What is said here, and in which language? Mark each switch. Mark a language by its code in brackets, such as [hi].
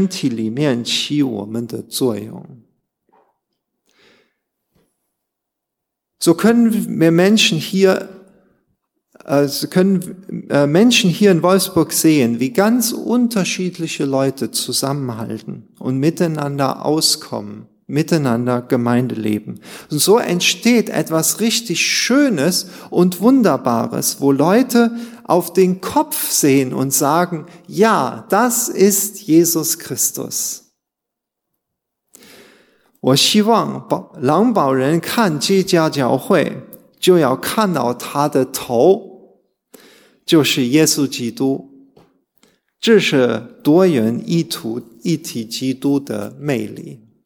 [zh] 愿我们大家在整个身体里面起我们的作用。 [de] So können wir Menschen hier in Wolfsburg sehen, wie ganz unterschiedliche Leute zusammenhalten und miteinander auskommen, miteinander Gemeinde leben. Und so entsteht etwas richtig Schönes und Wunderbares, wo Leute auf den Kopf sehen und sagen, ja, das ist Jesus Christus. [zh] 我希望狼堡人看这家教会，就要看到他的头，就是耶稣基督。这是多元一体基督的魅力。